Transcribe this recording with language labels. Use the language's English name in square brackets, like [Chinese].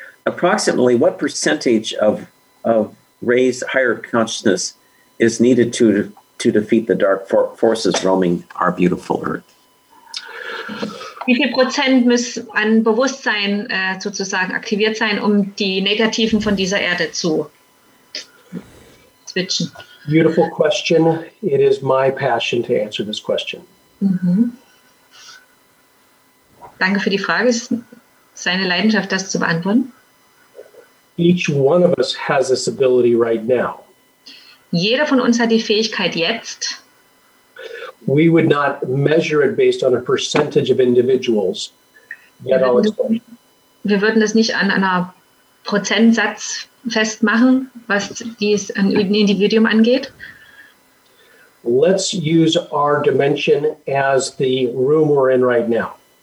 [English] Approximately what percentage of raised higher consciousness is needed to defeat the dark forces roaming our beautiful earth? [German] Wie viel Prozent muss ein Bewusstsein sozusagen aktiviert sein, um die Negativen von dieser Erde zu switchen? [English] Beautiful question. It is my passion to answer this question. [German] Mm-hmm. Danke für die Frage. Es ist seine Leidenschaft, das zu beantworten. [English] Each one of us has this ability right now. [German] Jeder von uns hat die Fähigkeit jetzt. [English] We would not measure it based on a percentage of individuals. [German] Wir würden das nicht an einer Prozentsatz festmachen, was dies an Individuum angeht. [English] Let's use our dimension as the room we're in right now.